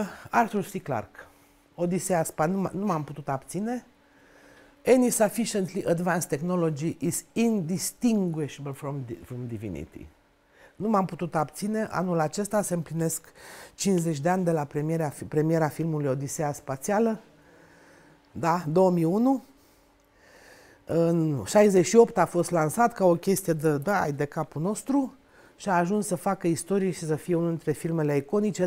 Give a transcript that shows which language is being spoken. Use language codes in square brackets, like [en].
[ro] Arthur C. Clarke, Odiseea spa, nu m-am putut abține. [en] Any sufficiently advanced technology is indistinguishable from divinity. [ro] Nu m-am putut abține, anul acesta se împlinesc 50 de ani de la premiera filmului Odiseea spațială, da, 2001. În 68 a fost lansat ca o chestie de, da, de capul nostru și a ajuns să facă istorie și să fie unul dintre filmele iconice.